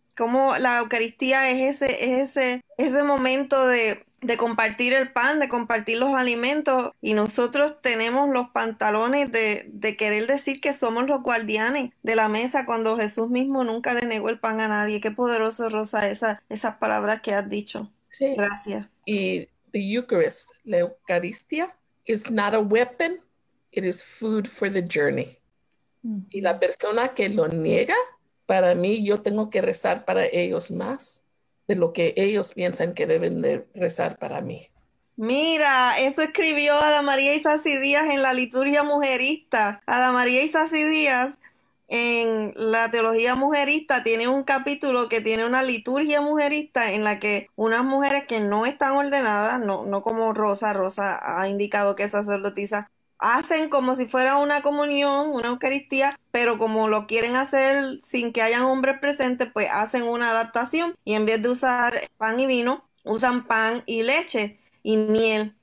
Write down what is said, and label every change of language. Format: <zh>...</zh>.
<es>Como la Eucaristía es ese momento de compartir el pan, de compartir los alimentos, y nosotros tenemos los pantalones de querer decir que somos los guardianes de la mesa cuando Jesús mismo nunca le negó el pan a nadie. Qué poderoso, Rosa, esas palabras que has dicho. Sí. Gracias.</es> <en>Y the Eucharist,</en> <es>la Eucaristía,</es> <en>is not a weapon, it is food for the journey.</en> <es>Y la persona que lo niega, para mí, yo tengo que rezar para ellos más de lo que ellos piensan que deben de rezar para mí. Mira, eso escribió Ada María Isasi Díaz en la liturgia mujerista. Ada María Isasi Díaz, en la teología mujerista, tiene un capítulo que tiene una liturgia mujerista en la que unas mujeres que no están ordenadas, no como Rosa ha indicado que es sacerdotisa, hacen como si fuera una comunión, una Eucaristía, pero como lo quieren hacer sin que hayan hombres presentes, pues hacen una adaptación y en vez de usar pan y vino, usan pan y leche y miel.</es>